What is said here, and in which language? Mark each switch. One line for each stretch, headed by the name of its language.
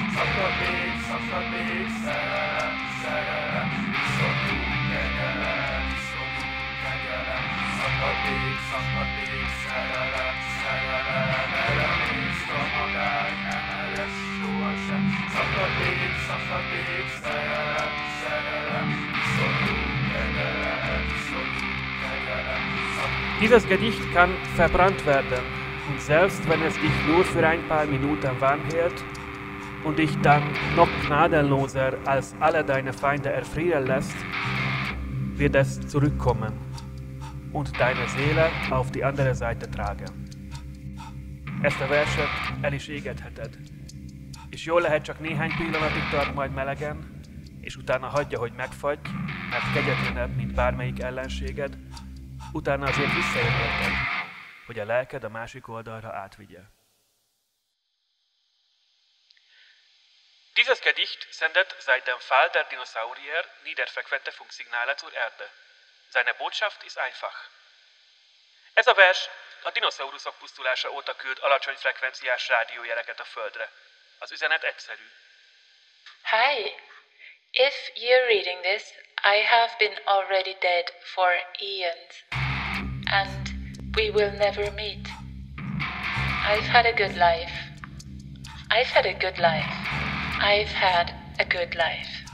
Hungarian: Szakadék, szerelem, szerelem, iszonyú kegyelem, iszonyú kegyelem, szakadék, szerelem, szerelem, elemész a magány, nem eres sohasem. Szakadék, szerelem, szerelem, iszonyú kegyelem, iszonyú kegyelem.
German: Dieses Gedicht kann verbrannt werden, und selbst wenn es dich nur für ein paar Minuten warm hält und dich dann noch gnadenloser als alle deine Feinde erfrieren lässt, wird es zurückkommen und deine Seele auf die andere Seite tragen.
Hungarian: Ezt a verset el is égetheted. És jól lehet, csak néhány pillanatig tart majd melegen, és utána hagyja, hogy megfagy, mert kegyetlenebb, mint bármelyik ellenséged, utána azért visszajöhetek, hogy a lelked a másik oldalra átvigye.
German: Dieses Gedicht sendet seit dem Fall der Dinosaurier niederfrequente Funksignale zur Erde. Seine Botschaft ist einfach.
Hungarian: Ez a vers a dinoszauruszok pusztulása óta küld alacsony frekvenciás rádiójeleket a Földre. Az üzenet egyszerű.
English: Hi, if you're reading this, I have been already dead for eons. And we will never meet. I've had a good life. I've had a good life. I've had a good life.